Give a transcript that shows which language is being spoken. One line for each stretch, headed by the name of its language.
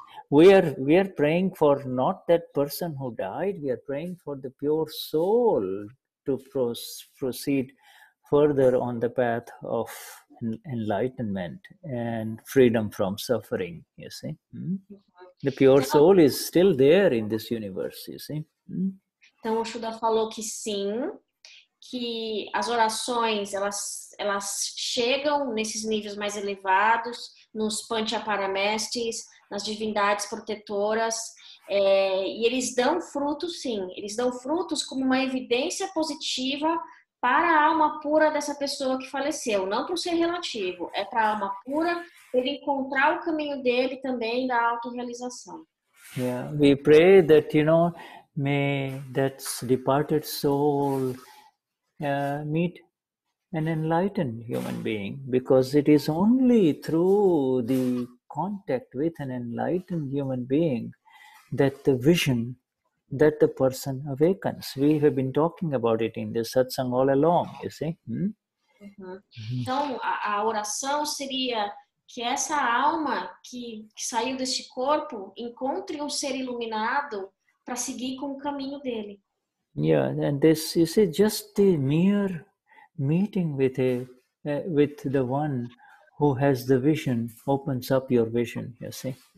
English: We are praying for not that person who died, we are praying for the pure soul to proceed further on the path of enlightenment and freedom from suffering, you see. The pure soul is still there in this universe, you see.
Portuguese: Então, o Shuddha falou que sim, que as orações, elas chegam nesses níveis mais elevados, nos Panchaparamestis, nas divindades protetoras, e eles dão frutos, sim. Eles dão frutos como uma evidência positiva para a alma pura dessa pessoa que faleceu, não para o ser relativo, é para a alma pura ele encontrar o caminho dele também da autorrealização.
English: Yeah, we pray that, you know, may that departed soul meet an enlightened human being, because it is only through the contact with an enlightened human being that the vision that the person awakens. We have been talking about it in the satsang all along, you see.
Portuguese: Então, a oração seria que essa alma que saiu deste corpo encontre ser iluminado para seguir com o caminho dele.
English: Yeah, and this, you see, just the mere meeting with the one who has the vision opens up your vision, you see.